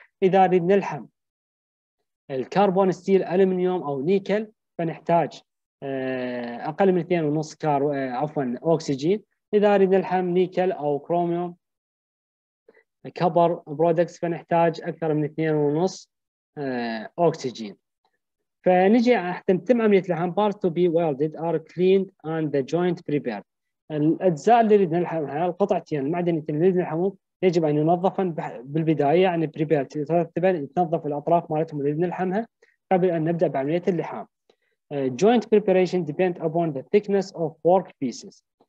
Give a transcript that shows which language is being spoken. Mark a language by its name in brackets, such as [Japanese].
[Arabic] اذا نريد نلحم الكربون ستيل المنيوم او نيكل فنحتاج اقل من 2.5 اكسجين. اذا نريد نلحم نيكل او كروميوم كبر برودكتس فنحتاج اكثر من 2.5 اكسجين. فنجي حتى تتم عملية اللحام [English] parts to be welded are cleaned and the joint prepared. [Arabic] الأجزاء اللي نريد نلحمها القطعتين المعدنيتين اللي نريد نلحمهم يجب أن ينظفن بالبداية يعني prepared يترتبن يتنظف الأطراف مالتهم اللي نريد نلحمها قبل أن نبدأ بعملية اللحام. [English] Joint preparation depend upon the thickness of work pieces.